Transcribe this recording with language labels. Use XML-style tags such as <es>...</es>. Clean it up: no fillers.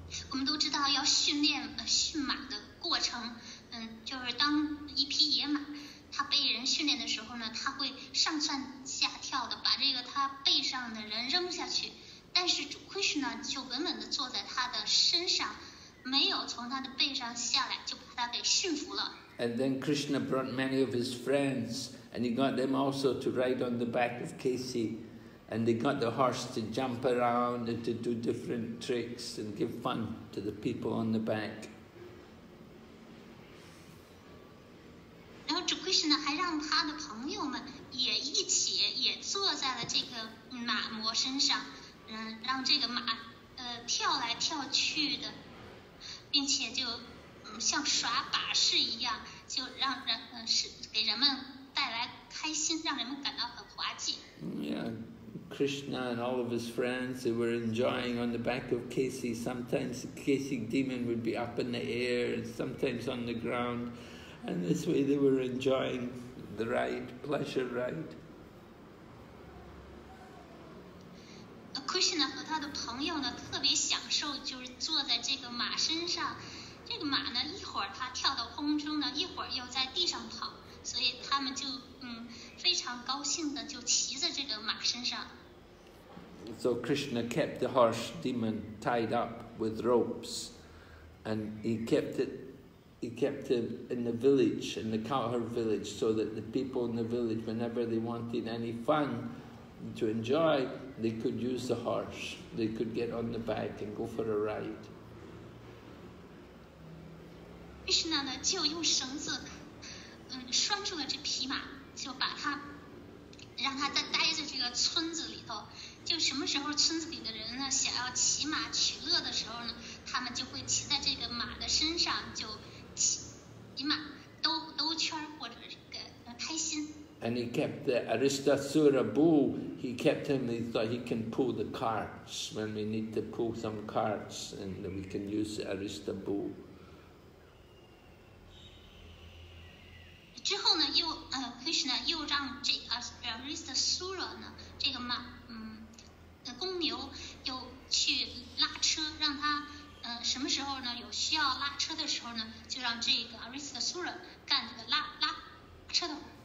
<zh>我们都知道要训马的过程，就是当一匹野马他被人训练的时候呢，他会上蹿下跳的把这个他背上的人扔下去，但是主 Krishna 就稳稳地坐在他的身上，没有从他的背上下来，就把他给驯服了。</zh> <en>And then Krishna brought many of his friends and he got them also to ride on the back of Kesi and they got the horse to jump around and to do different tricks and give fun to the people on the back.</en> <zh>然后主 Krishna 还让他的朋友们也一起也坐在了这个马魔身上，让这个马跳来跳去的，并且就像耍把式一样，就让人是给人们带来开心，让人们感到很滑稽。</zh> <en>Yeah, Krishna and all of his friends, they were enjoying on the back of Kesi. Sometimes Kesi demon would be up in the air, sometimes on the ground, and this way they were enjoying. The ride, pleasure ride.</en> <zh>Krishna 和他的朋友呢，特别享受，就是坐在这个马身上。这个马呢，一会儿它跳到空中呢，一会儿又在地上跑，所以他们就非常高兴的就骑在这个马身上。</zh> <en>So Krishna kept the horse demon tied up with ropes, and he kept it in the village, in the cowher village, so that the people in the village, whenever they wanted any fun to enjoy, they could use the horse. They could get on the back and go for a ride.</en> <zh>Krishna 呢就用绳子，拴住了这匹马，就把它让它在待在这个村子里头。就什么时候村子里的人呢想要骑马取乐的时候呢，他们就会骑在这个马的身上，就骑马兜圈或者开心。</zh> <en>And he kept the Aristasura bull, he kept him, he thought he can pull the carts when we need to pull some carts and we can use the Arista bull.</en> <zh>之后呢又Krishna 又让这 Aristasura 呢这个马公牛又去拉车，让他什么时候呢有需要拉车的时候呢，就让这个 Aristasura 干这个拉车的。</zh>